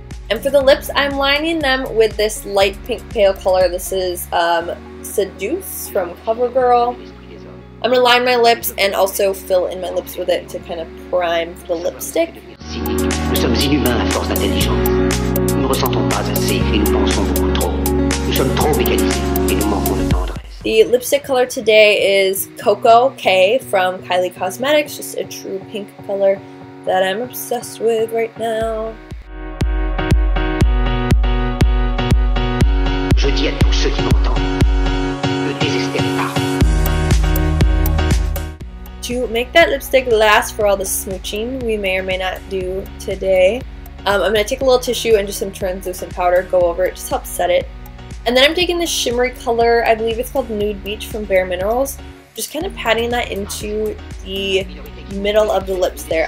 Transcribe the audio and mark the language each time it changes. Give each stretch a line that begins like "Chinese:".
English: And for the lips, I'm lining them with this light pink pale color. This is Seduce from CoverGirl. I'm going to line my lips and also fill in my lips with it to kind of prime the lipstick.
French: Nous sommes inhumains à force d'intelligence. Nous ne ressentons pas assez et nous pensons beaucoup trop. Nous sommes trop mécanisés et nous manquons de temps.
English: The lipstick color today is Coco K from Kylie Cosmetics, just a true pink color that I'm obsessed with right now.
French: Je dis à tous ceux qui m'entendent, ne désespérez pas.
English: To make that lipstick last for all the smooching we may or may not do today, I'm going to take a little tissue and just some translucent powder, go over it, just help set it. And then I'm taking this shimmery color, I believe it's called Nude Beach from Bare Minerals, just kind of patting that into the middle of the lips there.